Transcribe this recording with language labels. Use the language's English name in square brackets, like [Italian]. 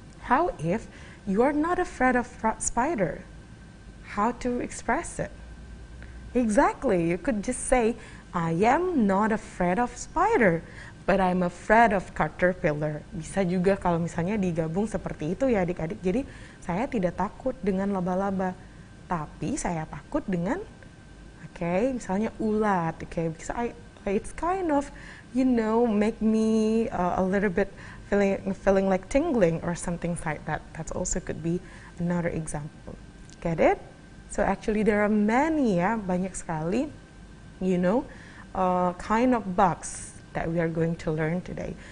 [English] How if you are not afraid of spider? How to express it? Exactly, you could just say, I am not afraid of spider, but I'm afraid of caterpillar. [Indonesian] Bisa juga kalau misalnya digabung seperti itu ya adik-adik. Jadi saya tidak takut dengan laba-laba, tapi saya takut dengan, okay, misalnya ulat. [English] Okay, because it's kind of, you know, make me a little bit feeling like tingling or something like that. That also could be another example. Get it? So actually there are many ya, [Indonesian] banyak sekali, [English] you know, kind of bugs that we are going to learn today.